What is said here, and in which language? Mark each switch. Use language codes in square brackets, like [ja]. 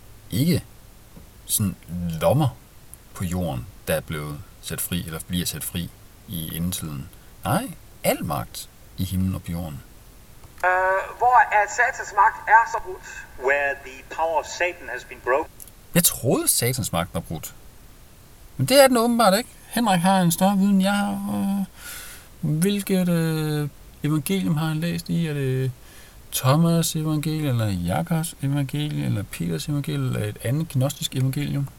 [da] Ikke sådan lommer på jorden, der er blevet sat fri, eller bliver sat fri i endetiden. Nej, al magt i himlen og på jorden. Hvor at Satans magt er så brudt. [en] Where the power of Satan has been broken. [da] Jeg troede, Satans magt var brudt. Men det er den åbenbart ikke. Henrik har en større viden, jeg har. Hvilket evangelium har han læst i? Er det Thomas' evangelium, eller Jakobs' evangelium, eller Peters evangelium, eller et andet gnostisk evangelium?